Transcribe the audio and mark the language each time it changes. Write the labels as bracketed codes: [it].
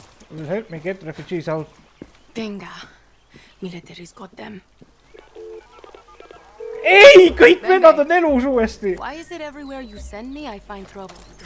[en] Will help me get refugees out. Tenga. Military's got them. [et] Ei, kõik vennad on elus uuesti. [en] Why is it everywhere you send me I find trouble?